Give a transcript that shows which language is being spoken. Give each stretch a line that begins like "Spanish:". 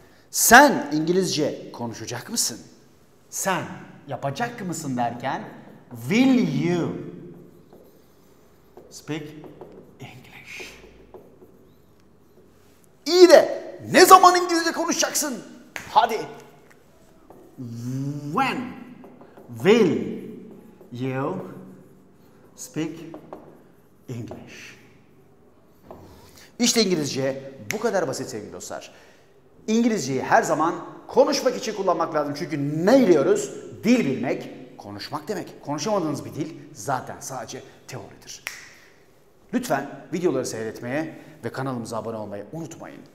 Turkish: Sen İngilizce konuşacak mısın? Sen yapacak mısın derken
English: will you speak English?
Turkish: İyi de ne zaman İngilizce konuşacaksın? Hadi.
English: When will you speak English?
Turkish: İşte İngilizce bu kadar basit sevgili dostlar. İngilizceyi her zaman konuşmak için kullanmak lazım. Çünkü ne biliyoruz? Dil bilmek konuşmak demek. Konuşamadığınız bir dil zaten sadece teoridir. Lütfen videoları seyretmeye ve kanalımıza abone olmayı unutmayın.